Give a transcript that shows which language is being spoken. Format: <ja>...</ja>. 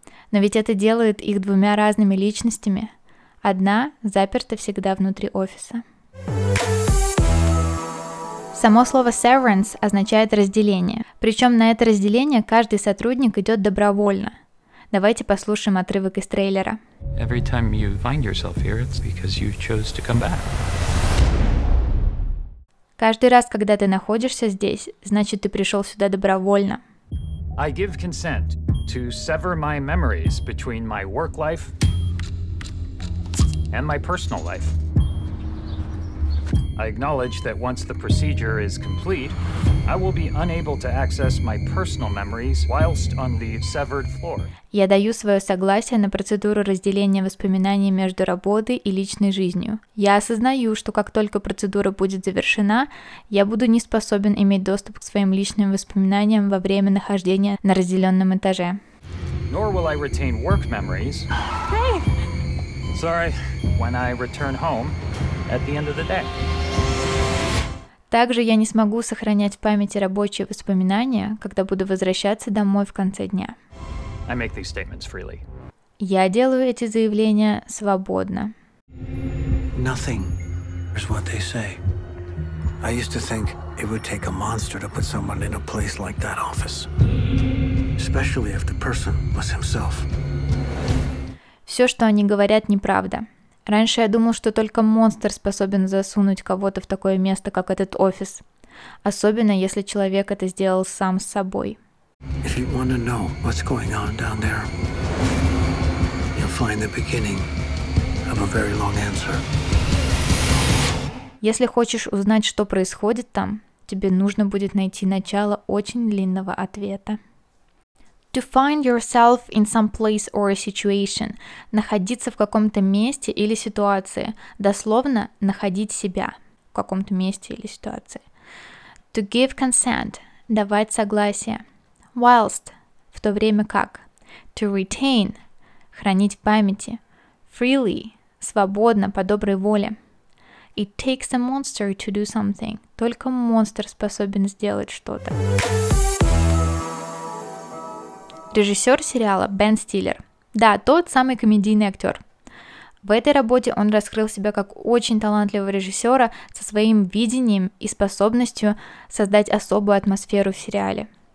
<ru>Но ведь это делает их двумя разными личностями. Одна заперта всегда внутри офиса. Само слово «severance» означает «разделение». Причем на это разделение каждый сотрудник идет добровольно. Давайте послушаем отрывок из трейлера.</ru> <en>Every time you find yourself here, it's because you chose to come back.</en> <ru>Каждый раз, когда ты находишься здесь, значит, ты пришел сюда добровольно.</ru> <en>I give consent to sever my memories between my work life and my personal life. I acknowledge that once the procedure is complete, I will be unable to access my personal memories whilst on the severed floor.</en> <ru>Я даю свое согласие на процедуру разделения воспоминаний между работой и личной жизнью. Я осознаю, что как только процедура будет завершена, я буду не способен иметь доступ к своим личным воспоминаниям во время нахождения на разделенном этаже.</ru> <en>Nor will I retain work memories. Hey! Sorry, when I return home at the end of the day.</en> <ru>Также я не смогу сохранять в памяти рабочие воспоминания, когда буду возвращаться домой в конце дня.</ru> <en>I make these statements freely.</en> <ru>Я делаю эти заявления свободно.</ru> <en>Nothing is what they say. I used to think it would take a monster to put someone in a place like that office. Especially if the person was himself.</en> <ru>Все, что они говорят, неправда. Раньше я думал, что только монстр способен засунуть кого-то в такое место, как этот офис. Особенно, если человек это сделал сам с собой.</ru> <en>If you want to know what's going on down there, you'll find the beginning of a very long answer.</en> <ru>Если хочешь узнать, что происходит там, тебе нужно будет найти начало очень длинного ответа.</ru> <en>To find yourself in some place or a situation.</en> <ru>Находиться в каком-то месте или ситуации. Дословно, находить себя в каком-то месте или ситуации.</ru> <en>To give consent.</en> <ru>Давать согласие.</ru> <en>Whilst.</en> <ru>В то время как.</ru> <en>To retain.</en> <ru>Хранить в памяти.</ru> <en>Freely.</en> <ru>Свободно, по доброй воле.</ru> <en>It takes a monster to do something.</en> <ru>Только монстр способен сделать что-то. Режиссер сериала Бен Стиллер. Да, тот самый комедийный актер. В этой работе он раскрыл себя как очень талантливого режиссера со своим видением и способностью создать особую атмосферу в сериале.</ru>